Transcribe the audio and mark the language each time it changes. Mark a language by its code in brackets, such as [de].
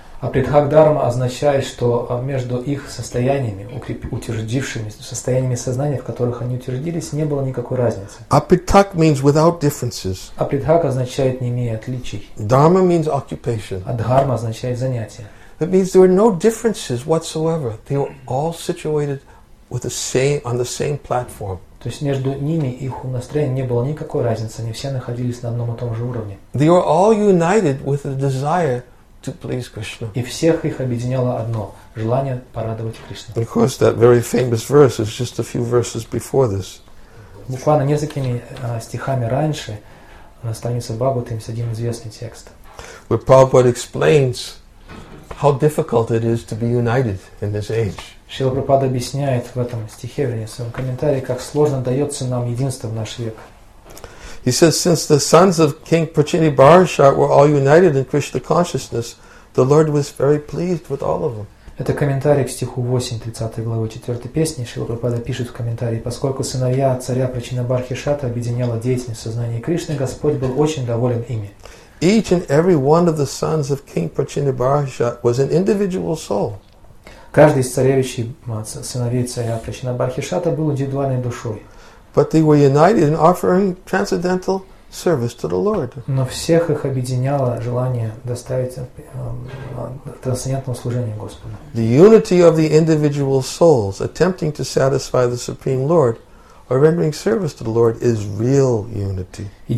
[ru] Апритхак дхарма означает, что между их состояниями, утвердившимися состояниями сознания, в которых они утвердились, не было никакой разницы. [en] Апритхак means without differences. [ru] Апритхак означает не имея отличий. [en] Дхарма means occupation. [ru] А дхарма означает занятие. [en] That means there were no differences whatsoever. They were all situated with the same on the same platform. [ru] То есть между ними их настроение не было никакой разницы, они все находились на одном и том же уровне. [en] They were all united with the desire to please Krishna. [ru] И всех их объединяло одно желание порадовать Кришну. [en] Of course, that very famous verse is just a few verses before this. [ru] Буквально несколькими стихами раньше на странице Бхагаваты есть один известный текст. [en] Where Prabhupada explains how difficult it is to be united in this age. [ru] Шрила Прабхупада объясняет в этом стихе, в своем комментарии, как сложно дается нам единство в наш век. [en] He says, since the sons of King Prachini Barashat were all united in Krishna consciousness, the Lord was very pleased with all of them. [ru] Это комментарий к стиху 8, 30 главы 4 песни. Шрила Прабхупада пишет в комментарии, поскольку сыновья царя Прачина Бархишата объединяла деятельность сознания Кришны, Господь был очень доволен ими. [en] Each and every one of the sons of King Prachini Barashat was an individual soul. [ru] Каждый из царевичей, сыновей царя Прачина Бархишата был индивидуальной душой. [en] But they were united in offering transcendental service to the Lord. [ru] Но всех их объединяло желание доставить трансцендентное служение Господу. [en] The unity of the individual souls attempting to satisfy the Supreme Lord or rendering service to the Lord is real unity.